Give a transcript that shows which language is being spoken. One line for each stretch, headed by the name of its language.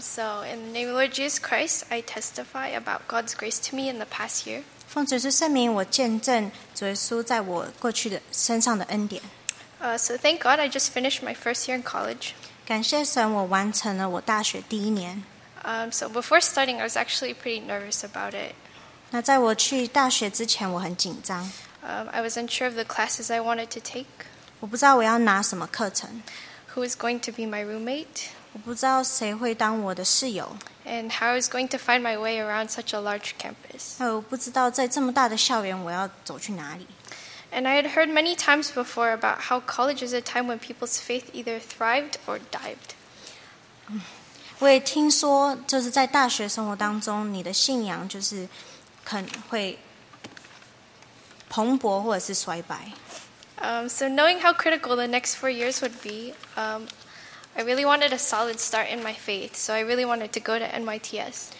English: So, in the name of Lord Jesus Christ, I testify about God's grace to me in the past year.
Chinese: 奉主耶稣圣名，我见证主耶稣在我过去的身上的恩典。
English: So thank God I just finished my first year in college.
Chinese: 感谢神，我完成了我大学第一年。
English: So before starting, I was actually pretty nervous about it.
Chinese: 那在我去大学之前，我很紧张。
English: I was unsure of the classes I wanted to take.
Chinese: 我不知道我要拿什么课程。
English: Who is going to be my roommate?
Chinese: 我不知道谁会当我的室友。
English: And how I was going to find my way around such a large campus.
Chinese: 那我不知道在这么大的校园我要走去哪里。
English: And I had heard many times before about how college is a time when people's faith either thrived or died.
Chinese: 我也听说，就是在大学生活当中，你的信仰就是可能会蓬勃或者是衰败。
English: So knowing how critical the next 4 years would be, I really wanted a solid start in my faith. So I really wanted to go to NYTS.